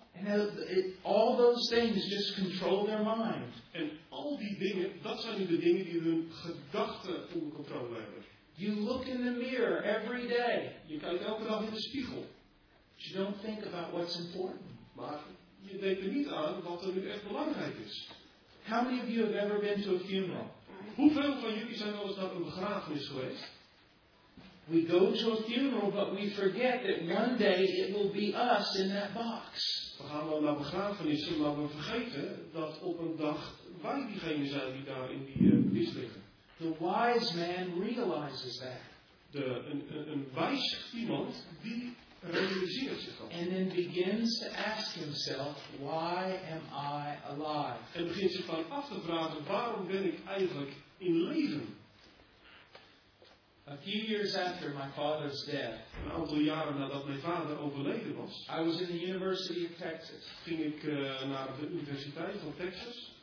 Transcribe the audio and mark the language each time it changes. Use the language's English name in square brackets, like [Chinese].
[English] And all those things just control their mind. [Dutch] En al die dingen, dat zijn de dingen die hun gedachten onder controle hebben. [English] You look in the mirror every day. [Dutch] Je kijkt elke dag in de spiegel. [English] Ze don't think about what's important. [Dutch] Maar je denkt er niet aan wat er nu echt belangrijk is. [English] How many of you have ever been to a funeral? [Dutch] Hoeveel van jullie zijn wel eens naar een begrafenis geweest? [English] We go to a funeral, but we forget that one day it will be us in that box. [Dutch] We gaan wel naar begrafenissen, maar we vergeten dat op een dag wij diegene zijn die daar in die kist liggen. [English] The wise man realizes that. [Dutch] Een wijs iemand die realiseert zich dat. [English] And then begins to ask himself, why am I alive? [Dutch] En begint zich dan af te vragen, waarom ben ik eigenlijk in leven? [English] A few years after my father's death, [Dutch] een aantal jaren nadat mijn vader overleden was, [English] I was in the University of Texas. [Dutch] Ging ik naar de Universiteit van Texas.